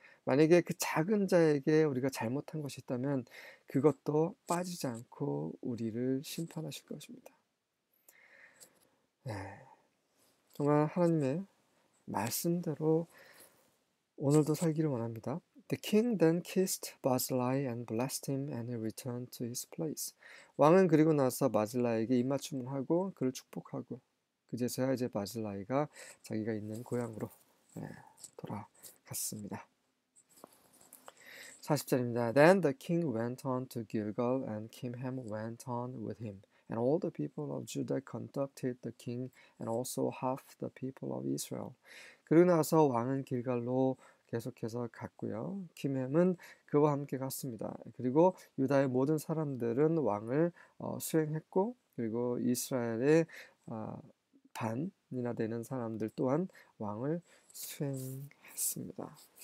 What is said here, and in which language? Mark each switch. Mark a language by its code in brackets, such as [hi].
[ko] 만약에 그 작은 자에게 우리가 잘못한 것이 있다면 그것도 빠지지 않고 우리를 심판하실 것입니다. 정말 하나님의 말씀대로 오늘도 살기를 원합니다. [en] The king then kissed Barzillai and blessed him and he returned to his place. [ko] 왕은 그리고 나서 바질라이에게 입맞춤을 하고 그를 축복하고 그제서야 이제 바질라이가 자기가 있는 고향으로 돌아갔습니다. 40절입니다. [en] Then the king went on to Gilgal and Kimham went on with him. And all the people of Judah conducted the king and also half the people of Israel. [ko] 그리고 나서 왕은 길갈로 계속해서 갔고요. 김햄은 그와 함께 갔습니다. 그리고 유다의 모든 사람들은 왕을 수행했고, 그리고 이스라엘의 반이나 되는 사람들 또한 왕을 수행했습니다.